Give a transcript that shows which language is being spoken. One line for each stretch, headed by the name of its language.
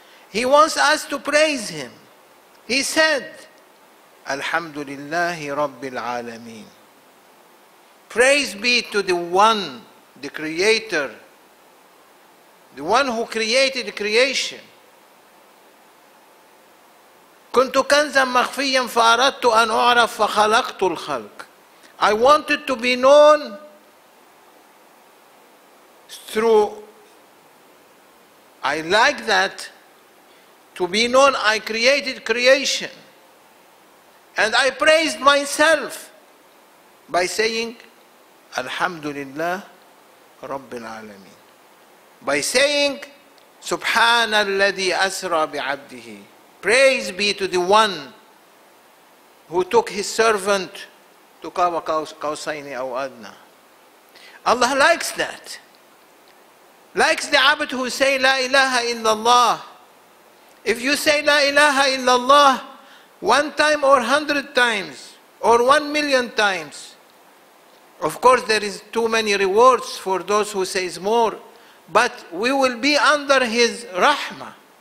English: He wants us to praise him. He said,
Arabic: Alhamdulillahi Rabbil Alameen.
English: Praise be to the one, the creator, the one who created creation.
Arabic: كنت كنزا مخفيا فأردت أن أعرف فخلقت الخلق.
English: I wanted to be known through, I like that, to be known I created creation. And I praised myself by saying
Arabic: الحمد لله رب العالمين.
English: By saying
Arabic: سبحان الذي أسرى بعبده.
English: Praise be to the one who took his servant to
Arabic: Kawa Kausaini Aw Adna.
English: Allah likes that. Likes the abbot who say
Arabic: La ilaha illallah.
English: If you say La ilaha illallah 1 time or 100 times or 1,000,000 times, of course there is too many rewards for those who say more, but we will be under his rahmah.